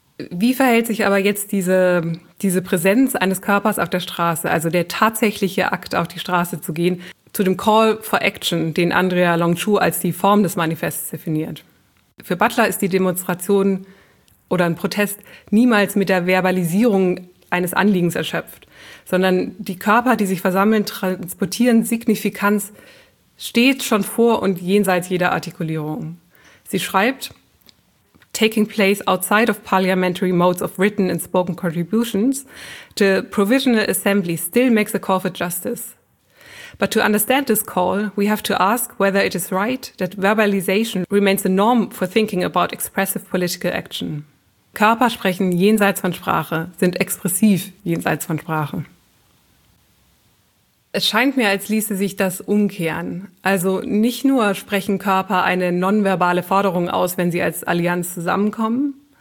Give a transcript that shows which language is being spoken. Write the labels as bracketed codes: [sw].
[de] Wie verhält sich aber jetzt diese Präsenz eines Körpers auf der Straße, also der tatsächliche Akt, auf die Straße zu gehen, zu dem Call for Action, den Andrea Longchu als die Form des Manifests definiert? Für Butler ist die Demonstration oder ein Protest niemals mit der Verbalisierung eines Anliegens erschöpft, sondern die Körper, die sich versammeln, transportieren Signifikanz stets schon vor und jenseits jeder Artikulierung. Sie schreibt, [en] taking place outside of parliamentary modes of written and spoken contributions, the provisional assembly still makes a call for justice. But to understand this call, we have to ask whether it is right that verbalization remains a norm for thinking about expressive political action. [de] Körper sprechen jenseits von Sprache, sind expressiv jenseits von Sprache. Es scheint mir, als ließe sich das umkehren. Also nicht nur sprechen Körper eine nonverbale Forderung aus, wenn sie als Allianz zusammenkommen.